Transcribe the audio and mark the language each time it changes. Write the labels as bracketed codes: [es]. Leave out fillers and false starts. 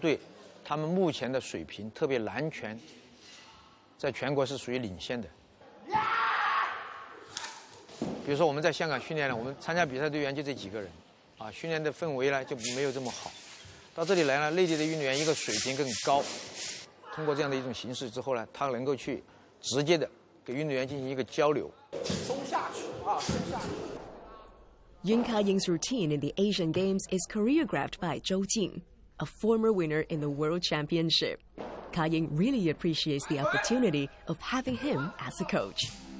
[en] team, their level of skill is especially in the whole country, is considered the leading. [zh] 比如说我们在香港训练了，我们参加比赛队员就这几个人，啊，训练的氛围呢就没有这么好。到这里来了，内地的运动员一个水平更高，通过这样的一种形式之后呢，他能够去直接的给运动员进行一个交流。松下去啊，松下去。 [en] Yin Ka Ying's routine in the Asian Games is choreographed by Zhou Jing, a former winner in the World Championship. Ka Ying really appreciates the opportunity of having him as a coach.